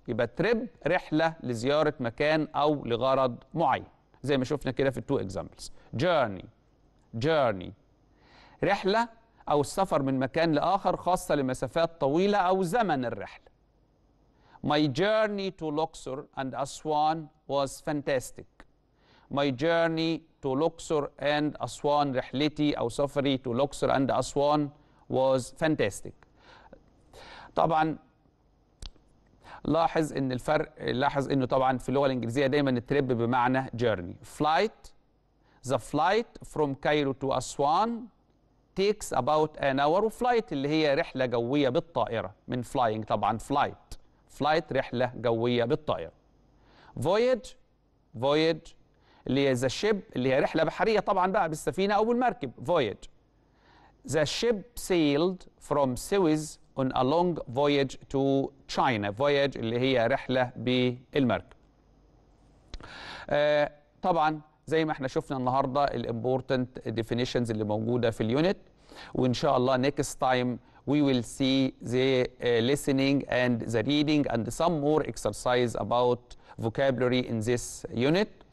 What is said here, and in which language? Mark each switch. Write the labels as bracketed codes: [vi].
[ar] يبقى trip رحلة لزيارة مكان أو لغرض معين، زي ما شفنا كده في [en] two examples. [ar] Journey رحلة أو السفر من مكان لآخر خاصة لمسافات طويلة أو زمن الرحلة. [en] My journey to Luxor and Aswan was fantastic. My journey to Luxor and Aswan، [ar] رحلتي أو سفري [en] to Luxor and Aswan was fantastic. [ar] طبعا لاحظ ان الفرق، لاحظ انه طبعا في اللغة الإنجليزية دايما التريب بمعنى journey. [en] Flight، the flight from Cairo to Aswan takes about an hour. [ar] Flight اللي هي رحلة جوية بالطائرة، من flying طبعا flight رحلة جوية بالطائرة. Voyage اللي هي [en] the ship [ar] اللي هي رحلة بحرية طبعا بقى بالسفينة أو بالمركب. [en] Voyage، the ship sailed from Suez on a long voyage to China. [ar] Voyage اللي هي رحلة بالمركب. طبعا زي ما احنا شفنا النهاردة الـ important definitions اللي موجودة في اليونت، وإن شاء الله [en] next time we will see the listening and the reading and some more exercise about vocabulary in this unit.